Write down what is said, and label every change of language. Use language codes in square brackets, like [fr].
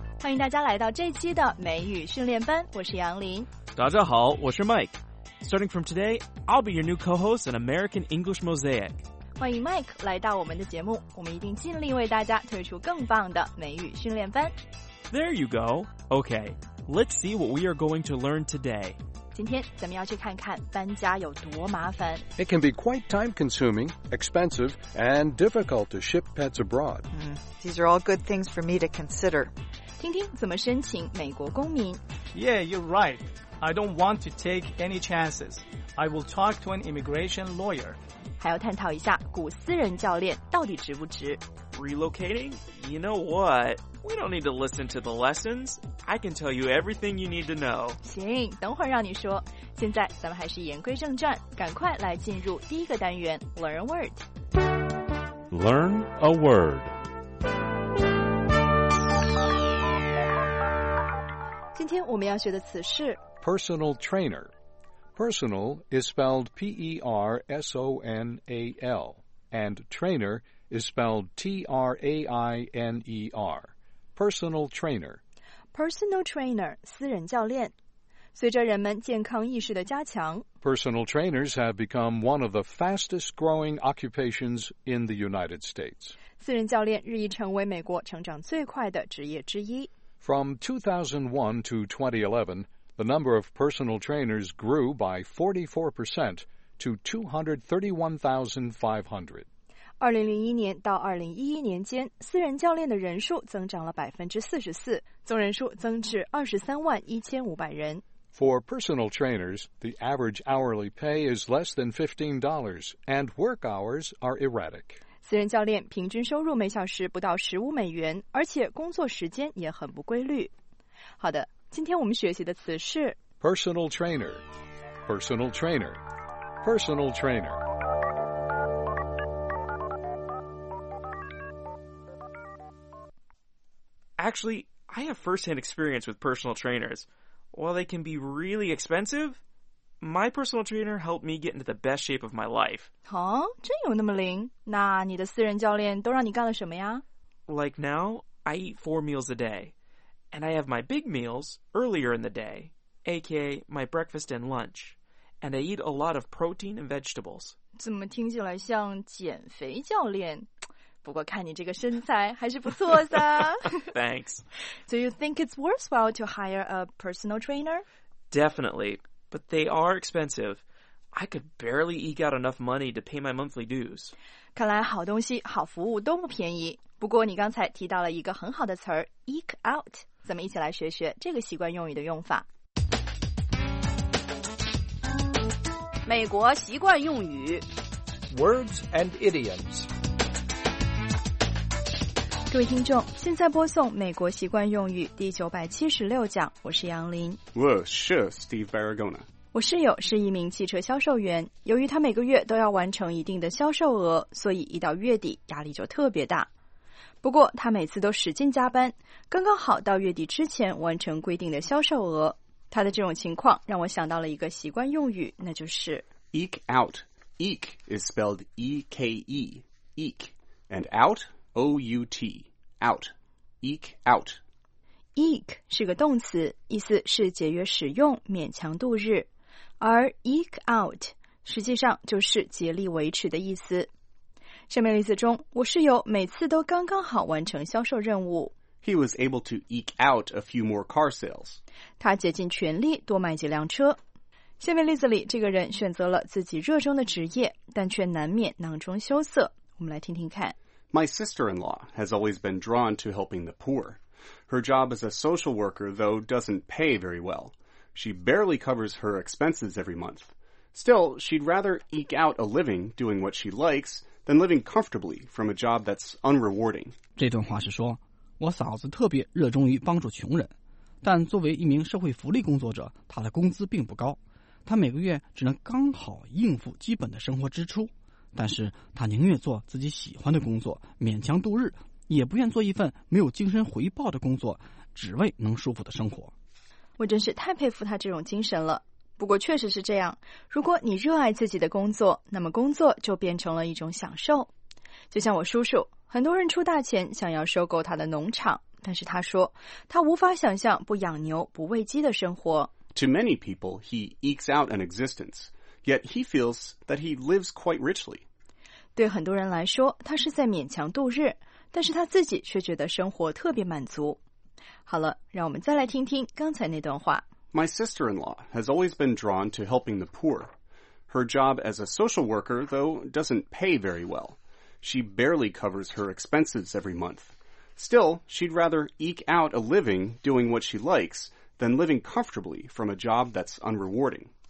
[zh] 迎大家来到这期的美语训练班，我是杨林。大家好，我是 Mike。 [en] Starting from today, I'll be your new co-host in American English Mosaic. [zh] 欢迎 Mike 来到我们的节目，我们一定尽力为大家推出更棒的美语训练班。 [en] There you go. Okay, let's see what we are going to learn today. [zh] 今天咱们要去看看搬家有多麻烦。 [en] It can be quite time-consuming, expensive, and difficult to ship pets abroad. These are all good things for me to consider. [zh] 听听怎么申请美国公民。 [en] Yeah, you're right. I don't want to take any chances. I will talk to an immigration lawyer. [zh] 还要探讨一下雇私人教练到底值不值。 [en] Relocating? You know what? We don't need to listen to the lessons. I can tell you everything you need to know. [zh] 行，等会儿让你说。现在咱们还是言归正传，赶快来进入第一个单元 ,Learn a Word. [en] Learn a Word. [zh] 今天我们要学的词是 [en] Personal Trainer. Personal is spelled P-E-R-S-O-N-A-L. And trainer is spelled T-R-A-I-N-E-R. Personal trainer. [zh] Personal trainer, 私人教练。随着人们健康意识的加强 [en] Personal trainers have become one of the fastest growing occupations in the United States. [zh] 私人教练日益成为美国成长最快的职业之一。 [en] From 2001 to 2011, the number of personal trainers grew by 44% to 231,500. [zh] 2001年到2011年间，私人教练的人数增长了 44%, 总人数增至231,500人。 [en] For personal trainers, the average hourly pay is less than $15, and work hours are erratic. [zh] 私人教练平均收入每小时不到15美元，而且工作时间也很不规律。好的，今天我们学习的词是 [en] Personal trainer, personal trainer, personal trainer. Actually, I have first-hand experience with personal trainers. While they can be really expensive, my personal trainer helped me get into the best shape of my life. [zh] Huh? 真有那么灵？那你的私人教练都让你干了什么呀？ [en] Like now, I eat 4 meals a day. And I have my big meals earlier in the day, aka my breakfast and lunch. And I eat a lot of protein and vegetables. [zh] 怎么听起来像减肥教练？不过看你这个身材还是不错的。 [en] Thanks. Do you think it's worthwhile to hire a personal trainer? Definitely, but they are expensive. I could barely eke out enough money to pay my monthly dues. [zh] 看来好东西、好服务都不便宜。不过你刚才提到了一个很好的词儿 eke out. 咱们一起来学学这个习惯用语的用法。美国习惯用语 [en] Words and idioms. [zh] 各位听众，现在播送美国习惯用语第976讲，我是杨林。我是 Steve Barragona。我室友是一名汽车销售员，由于他每个月都要完成一定的销售额，所以一到月底压力就特别大。不过他每次都使劲加班，刚刚好到月底之前完成规定的销售额。他的这种情况让我想到了一个习惯用语，那就是 [en] eke out。 eke is spelled E-K-E, eke, and out? O-U-T, out, eke out. [zh] Eke 是个动词，意思是节约使用，勉强度日。而 eke out 实际上就是竭力维持的意思。上面例子中，我室友每次都刚刚好完成销售任务。 [en] He was able to eke out a few more car sales. [zh] 他竭尽全力多买几辆车。下面例子里，这个人选择了自己热衷的职业，但却难免囊中羞涩。我们来听听看。 [en] My sister-in-law has always been drawn to helping the poor. Her job as a social worker, though, doesn't pay very well. She barely covers her expenses every month. Still, she'd rather eke out a living doing what she likes than living comfortably from a job that's unrewarding. [zh] 这段话是说，我嫂子特别热衷于帮助穷人，但作为一名社会福利工作者，她的工资并不高。她每个月只能刚好应付基本的生活支出。但是他宁愿做自己喜欢的工作勉强度日，也不愿做一份没有精神回报的工作，只为能舒服的生活。我真是太佩服他这种精神了。不过确实是这样，如果你热爱自己的工作，那么工作就变成了一种享受。就像我叔叔，很多人出大钱想要收购他的农场，但是他说他无法想象不养牛不喂鸡的生活。 [en] To many people, he ekes out an existence, yet he feels that he lives quite richly. [zh] 对很多人来说他是在勉强度日，但是他自己却觉得生活特别满足。好了，让我们再来听听刚才那段话。 [en] My sister-in-law has always been drawn to helping the poor. Her job as a social worker, though, doesn't pay very well. She barely covers her expenses every month. Still, she'd rather eke out a living doing what she likes than living comfortably from a job that's unrewarding.